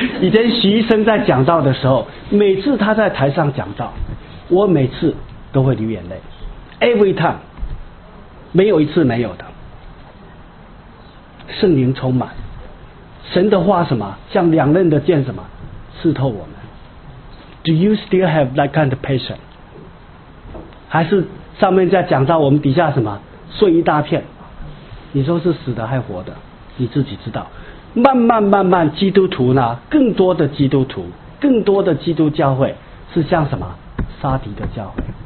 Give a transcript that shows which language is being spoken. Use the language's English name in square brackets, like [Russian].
[Chinese] 以前徐医生在讲道的时候，每次他在台上讲道，我每次都会流眼泪 ， [English] every time， [Chinese] 没有一次没有的。圣灵充满，神的话什么，像两刃的剑什么，刺透我们。 [English] Do you still have that kind of passion？ [Chinese] 还是上面在讲到我们底下什么睡一大片？你说是死的还活的？你自己知道。慢慢慢慢，基督徒呢，更多的基督徒，更多的基督教会是像什么杀敌的教会。